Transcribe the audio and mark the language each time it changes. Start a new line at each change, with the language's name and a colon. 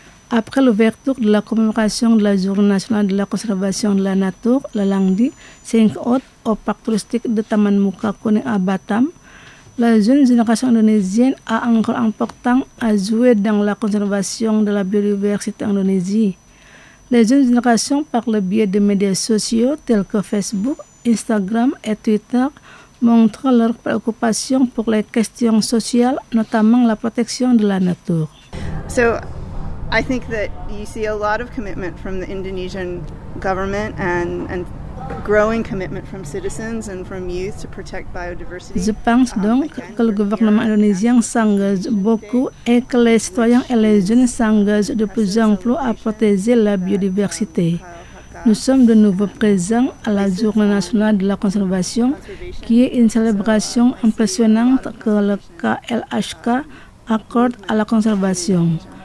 French: Après l'ouverture de la commémoration de la Journée nationale de la conservation de la nature, le lundi 5 août, au parc touristique de Taman Muka Kuning à Batam, la jeune génération indonésienne a un rôle important à jouer dans la conservation de la biodiversité en Indonésie. Les jeunes générations, par le biais de médias sociaux tels que Facebook, Instagram et Twitter, montrent leur préoccupation pour les questions sociales, notamment la protection de la nature.
English: So, I think that you see a lot of commitment from the Indonesian government and growing commitment from citizens and from youth to protect biodiversity.
French: Je pense donc que le gouvernement indonésien s'engage beaucoup et que les citoyens et les jeunes s'engagent de plus en plus à protéger la biodiversité. Nous sommes de nouveau présents à la Journée nationale de la conservation, qui est une célébration impressionnante que le KLHK accorde à la conservation.